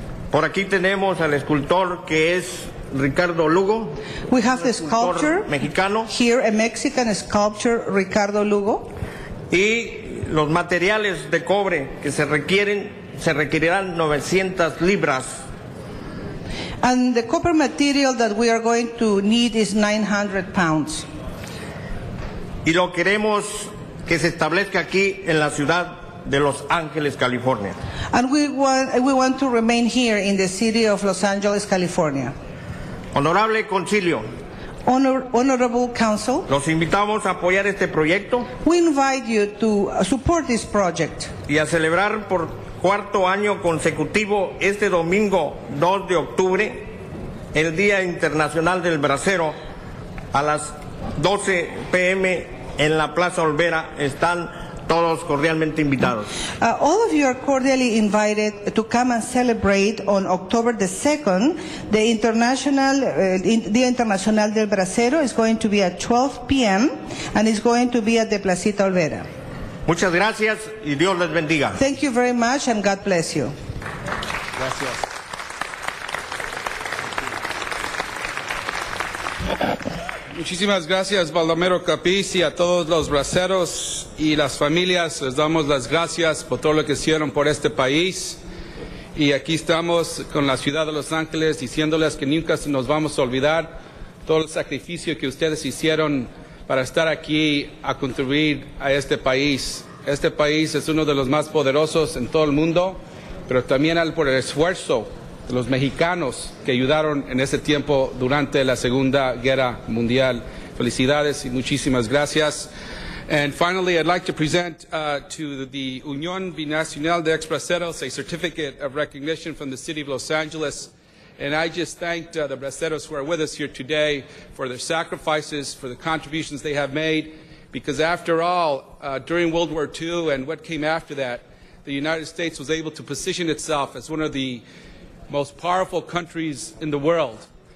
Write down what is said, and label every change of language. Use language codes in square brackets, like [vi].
[es] Por aquí tenemos al escultor que es Ricardo Lugo. [en] We have the sculptor [es] mexicano. [en] Here, a Mexican sculptor, Ricardo Lugo. [es] Y los materiales de cobre que se requerirán 900 libras. [en] And the copper material that we are going to need is 900 pounds. [es] Y lo queremos que se establezca aquí en la ciudad de Los Ángeles, California. [en] And we want to remain here in the city of Los Angeles, California. [es] Honorable Concilio. [en] Honorable Council. [es] Los invitamos a apoyar este proyecto. [en] We invite you to support this project. [es] Y a celebrar por cuarto año consecutivo este domingo 2 de octubre el Día Internacional del Bracero a las 12 p.m. en la Plaza Olvera. Están todos cordialmente invitados. [en] All of you are cordially invited to come and celebrate on October the 2nd. The International Día Internacional del Bracero is going to be at 12 p.m. and it's going to be at the Placita Olvera. [es] Muchas gracias y Dios les bendiga. [en] Thank you very much and God bless you. [es] Gracias. Muchísimas gracias, Baldomero Capiz, y a todos los braceros y las familias. Les damos las gracias por todo lo que hicieron por este país. Y aquí estamos con la ciudad de Los Ángeles diciéndoles que nunca nos vamos a olvidar todo el sacrificio que ustedes hicieron para estar aquí a contribuir a este país. Este país es uno de los más poderosos en todo el mundo, pero también por el esfuerzo de los mexicanos que ayudaron en ese tiempo durante la Segunda Guerra Mundial. Felicidades y muchísimas gracias. [en] And finally, I'd like to present to the Unión Binacional de Ex-Braceros a certificate of recognition from the City of Los Angeles. And I just thanked the braceros who are with us here today for their sacrifices, for the contributions they have made, because after all, during World War II and what came after that, the United States was able to position itself as one of the most powerful countries in the world.